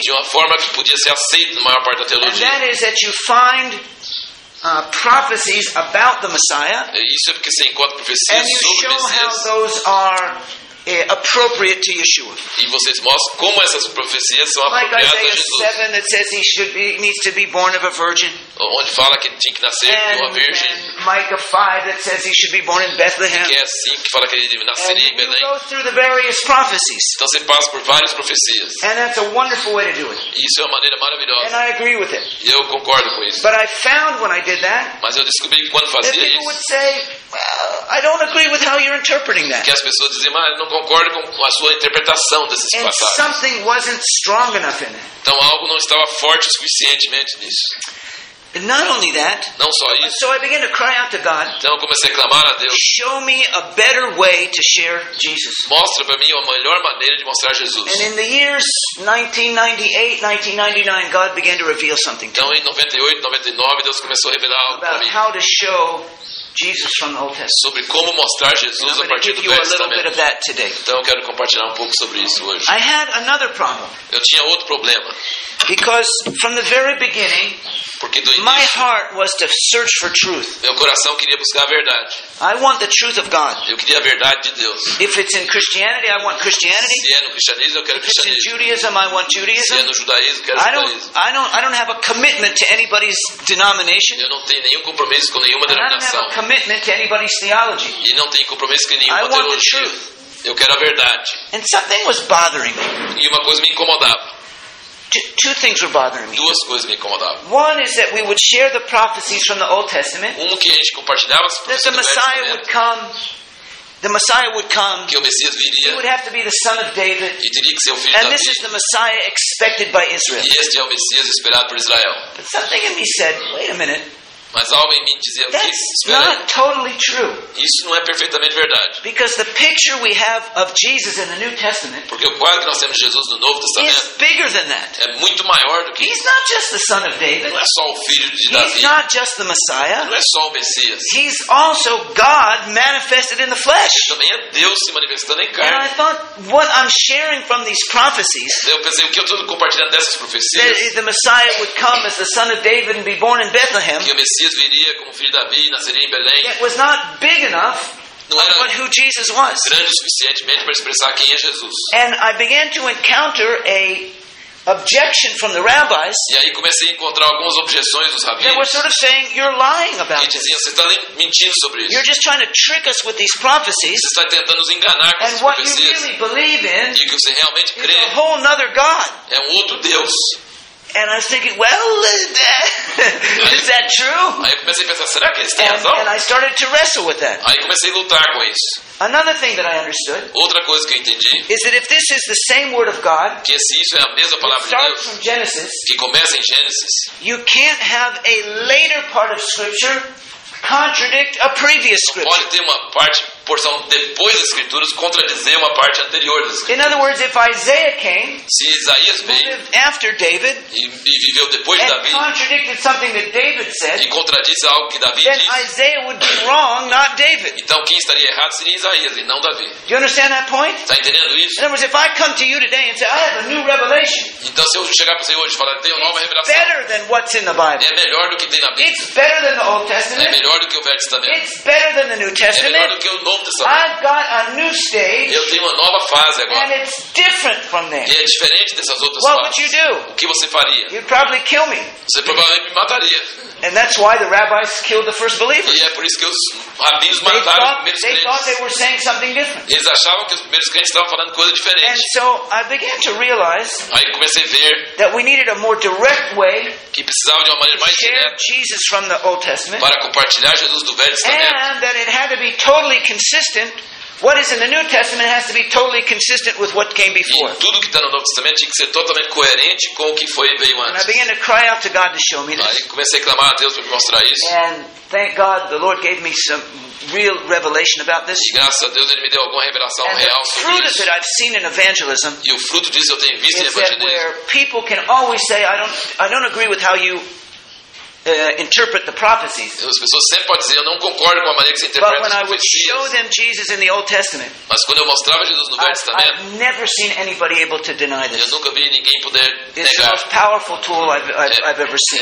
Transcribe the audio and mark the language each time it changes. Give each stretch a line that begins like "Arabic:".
Portuguese: De uma forma que podia ser aceita na maior parte da teologia.
English: And that is that you find prophecies about the Messiah.
Portuguese: Isso é porque você encontra profecias sobre o Messias.
English: And you show how those are appropriate to Yeshua.
Portuguese: E vocês mostram como essas profecias são apropriadas
English: like
Portuguese: a Jesus.
English: Like Isaiah 7 that says he should be, needs to be born of a virgin.
Portuguese: Onde fala que tinha que nascer
English: and,
Portuguese: de uma virgem.
English: And Micah 5 that says he should be born in Bethlehem.
Portuguese: Que é assim que fala que ele nasceria em Belém.
English: And you go through the various prophecies.
Portuguese: Então você passa por várias profecias.
English: And that's a wonderful way to do it.
Portuguese: E isso é uma maneira maravilhosa.
English: And I agree with it.
Portuguese: E eu concordo com isso.
English: But I found when I did that,
Portuguese: mas eu descobri que quando fazia
English: that
Portuguese: isso,
English: would say, well, I don't agree with how you're interpreting that.
Portuguese: Que as pessoas diziam, mas não concordo com a sua interpretação desses
English: and
Portuguese: passagens.
English: Something wasn't strong enough in it.
Portuguese: Então algo não estava forte o suficientemente nisso.
English: And not only that,
Portuguese: não só isso.
English: So I began to cry out to God,
Portuguese: então eu comecei a clamar a Deus.
English: Show me a better way to share Jesus.
Portuguese: Mostra para mim uma melhor maneira de mostrar Jesus.
English: And in the years 1998, 1999, God began to reveal something to me.
Portuguese: Então em 98, 99, Deus começou a revelar algo para mim.
English: How to show Jesus from the Old Testament.
Portuguese: Sobre como mostrar Jesus a partir do Velho Testamento.
English: Bit of that today.
Portuguese: Então eu quero compartilhar um pouco sobre isso hoje.
English: I had another problem.
Portuguese: Eu tinha outro problema.
English: Because from the very beginning,
Portuguese: porque do início,
English: my heart was to search for truth.
Portuguese: Meu coração queria buscar a verdade.
English: I want the truth of God.
Portuguese: Eu queria a verdade de Deus.
English: If it's in Christianity, I want Christianity.
Portuguese: Se é no cristianismo, eu quero
English: if
Portuguese: cristianismo.
English: If it's in Judaism, I want Judaism.
Portuguese: Se é no judaísmo, eu quero judaísmo.
English: I don't have a commitment to anybody's denomination.
Portuguese: Eu não tenho nenhum compromisso com nenhuma denominação.
English: Commitment to anybody's theology.
Portuguese: E não tenho compromisso com nenhuma
English: I want
Portuguese: teologia.
English: The truth.
Portuguese: Eu quero a verdade.
English: And something was bothering me.
Portuguese: E uma coisa me incomodava.
English: Two things were bothering me.
Portuguese: Duas coisas me incomodavam.
English: One is that we would share the prophecies from the Old Testament.
Portuguese: Que a gente compartilhava as
English: profecias that the Messiah would come. The Messiah would come.
Portuguese: Que o Messias viria.
English: He would have to be the son of David.
Portuguese: E teria que ser o filho de
English: Davi. And this is the Messiah expected by Israel.
Portuguese: E este é o Messias esperado por Israel.
English: But something in me said, wait a minute.
Portuguese: Mas algo em mim dizia,
English: that's not totally true.
Portuguese: Isso não é perfeitamente verdade.
English: Because the picture we have of Jesus in the New Testament,
Portuguese: porque o quadro que nós temos de Jesus no Novo Testamento,
English: is bigger than that.
Portuguese: É muito maior do que isso.
English: He's not just the son of David.
Portuguese: Não é só o filho de
English: He's
Portuguese: Davi.
English: He's not just the Messiah.
Portuguese: Não é só o Messias.
English: He's also God manifested in the flesh.
Portuguese: Ele também é Deus se manifestando em carne.
English: And I thought, what I'm sharing from these prophecies,
Portuguese: eu pensei, o que eu estou compartilhando dessas profecias,
English: that the Messiah would come as the son of David and be born in Bethlehem,
Portuguese: que o Messias viria como filho de Davi, nasceria em Belém.
English: It was not big enough.
Portuguese: Não era
English: who Jesus was.
Portuguese: Grande o suficientemente para expressar quem é Jesus.
English: And I began to encounter a objection from the rabbis.
Portuguese: E aí comecei a encontrar algumas objeções dos rabinos.
English: They were sort of saying you're lying about.
Portuguese: Que diziam, você está mentindo sobre isso.
English: You're just trying to trick us with these prophecies.
Portuguese: Você está tentando nos enganar com essas profecias.
English: And what you really believe in?
Portuguese: E que você realmente crê?
English: Is a whole another God.
Portuguese: É um outro Deus.
English: And I was thinking, well, is that true?
Portuguese: Aí comecei a pensar, será que eles têm razão?
English: And I started to wrestle with that.
Portuguese: Aí comecei a lutar com isso.
English: Another thing that I understood,
Portuguese: outra coisa que eu entendi,
English: is that if this is the same word of God,
Portuguese: que se isso é a mesma palavra de Deus,
English: starts from Genesis,
Portuguese: que começa em Gênesis,
English: you can't have a later part of Scripture contradict a previous scripture.
Portuguese: Pode ter uma parte, porção depois das escrituras contradizer uma parte anterior das escrituras.
English: In other words, if Isaiah came,
Portuguese: se Isaías veio,
English: lived after David,
Portuguese: e viveu depois de Davi,
English: contradicted something that David said,
Portuguese: e contradisse algo que Davi
English: then
Portuguese: disse,
English: Isaiah would be wrong, not David.
Portuguese: Então quem estaria errado seria Isaías e não Davi.
English: You understand that point?
Portuguese: Está entendendo isso?
English: In other words, if I come to you today and say I have a new revelation,
Portuguese: então se eu chegar para você hoje e falar tenho nova revelação,
English: it's better than what's in the Bible.
Portuguese: É melhor do que tem na Bíblia.
English: It's better than the Old Testament.
Portuguese: É melhor do que o Velho Testamento.
English: It's better than the New Testament.
Portuguese: É melhor do que o Novo.
English: I've got a new stage.
Portuguese: Eu tenho uma nova fase agora.
English: And it's different from there.
Portuguese: E é diferente dessas outras
English: what
Portuguese: fases.
English: Would you do?
Portuguese: O que você faria?
English: You'd probably kill me.
Portuguese: Você provavelmente me mataria.
English: And that's why the rabbis killed the first believers.
Portuguese: E é por isso que os rabinos mataram os primeiros crentes.
English: They thought they were saying something different.
Portuguese: Eles achavam que os primeiros crentes estavam falando coisa diferente.
English: And so I began to realize
Portuguese: aí comecei a ver
English: that we needed a more direct way
Portuguese: que precisava de uma maneira mais direta
English: Jesus from the Old Testament,
Portuguese: para compartilhar Jesus do Velho Testamento.
English: And that it had to be totally consistent. What is in the New Testament has to be totally consistent with what came before.
Portuguese: E tudo que está no Novo Testamento tinha que ser totalmente coerente com o que foi veio antes.
English: And I began to cry out to God to show me this.
Portuguese: Aí comecei a clamar a Deus para me mostrar isso.
English: And thank God, the Lord gave me some real revelation about this.
Portuguese: E graças a Deus ele me deu alguma revelação
English: and
Portuguese: real sobre isso.
English: The fruit of it I've seen in evangelism.
Portuguese: E o fruto disso eu tenho visto em evangelismo.
English: Where people can always say, I don't agree with how you interpret the prophecies.
Portuguese: As pessoas sempre podem dizer, eu não concordo com a maneira que você interpreta as profecias.
English: But when I would show them Jesus in the Old Testament,
Portuguese: mas quando eu mostrava Jesus no Velho Testamento,
English: I've never seen anybody able to deny this.
Portuguese: Eu nunca vi ninguém poder
English: it's
Portuguese: negar.
English: It's the most powerful tool I've ever seen.